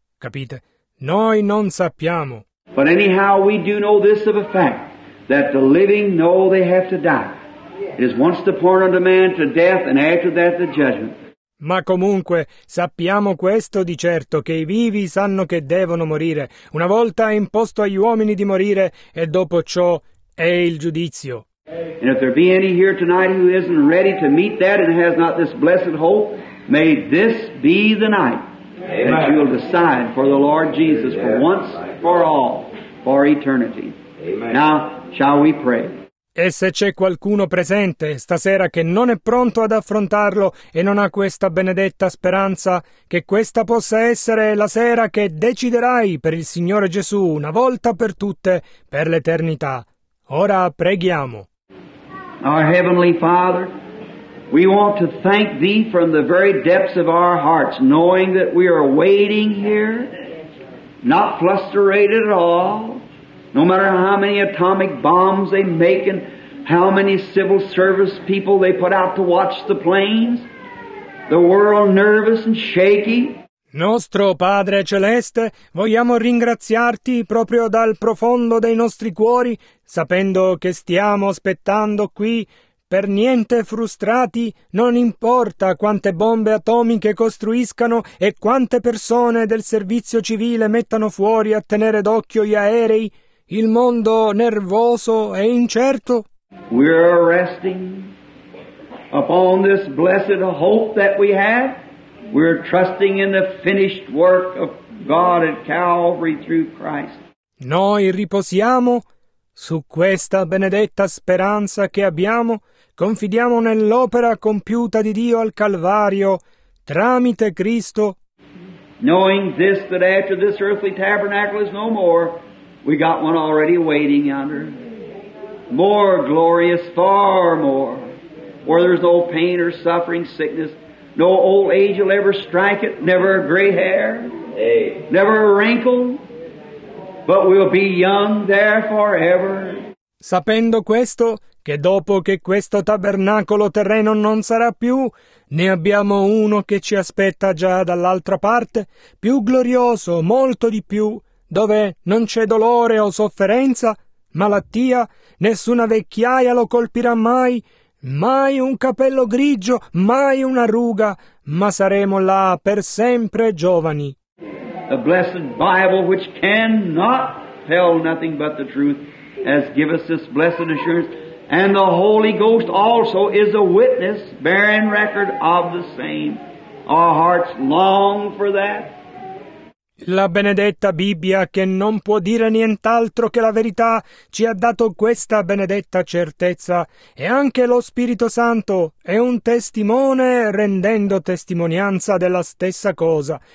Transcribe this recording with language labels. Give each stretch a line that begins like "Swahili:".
Italian: Capite? Noi non sappiamo.
English: But anyhow, we do know this of a fact, that the living know they have to die. It is once appointed unto man to death, and after that the judgment.
Italian: Ma comunque sappiamo questo di certo, che i vivi sanno che devono morire. Una volta è imposto agli uomini di morire, e dopo ciò è il giudizio.
English: And if there be any here tonight who isn't ready to meet that and has not this blessed hope, may this be the night that you'll decide for the Lord Jesus for once, for all, for eternity. Amen. Now, shall we pray?
Italian: E se c'è qualcuno presente stasera che non è pronto ad affrontarlo e non ha questa benedetta speranza, che questa possa essere la sera che deciderai per il Signore Gesù una volta per tutte per l'eternità. Ora preghiamo.
English: Our Heavenly Father, we want to thank Thee from the very depths of our hearts, knowing that we are waiting here, not flustered at all. No matter how many atomic bombs they make and how many civil service people they put out to watch the planes, the world nervous and shaky.
Italian: Nostro Padre Celeste, vogliamo ringraziarti proprio dal profondo dei nostri cuori, sapendo che stiamo aspettando qui, per niente frustrati, non importa quante bombe atomiche costruiscano e quante persone del servizio civile mettano fuori a tenere d'occhio gli aerei, il mondo nervoso e incerto.
English: We're resting upon this blessed hope that we have. We're trusting in the finished work of God at Calvary through Christ.
Italian: Noi riposiamo su questa benedetta speranza che abbiamo, confidiamo nell'opera compiuta di Dio al Calvario tramite Cristo.
English: Knowing this, that after this earthly tabernacle is no more, we got one already waiting yonder. More glorious, far more, where there's no pain or suffering, sickness. No old age will ever strike it, never a gray hair, never a wrinkle, but we'll be young there forever.
Italian: Sapendo questo, che dopo che questo tabernacolo terreno non sarà più, ne abbiamo uno che ci aspetta già dall'altra parte, più glorioso, molto di più, dove non c'è dolore o sofferenza, malattia, nessuna vecchiaia lo colpirà mai, mai un capello grigio, mai una ruga, ma saremo là per sempre giovani.
English: The blessed Bible, which cannot tell nothing but the truth, has given us this blessed assurance, and the Holy Ghost also is a witness, bearing record of the same. Our hearts long for that.
Italian: La benedetta Bibbia, che non può dire nient'altro che la verità, ci ha dato questa benedetta certezza, e anche lo Spirito Santo è un testimone rendendo testimonianza della stessa cosa.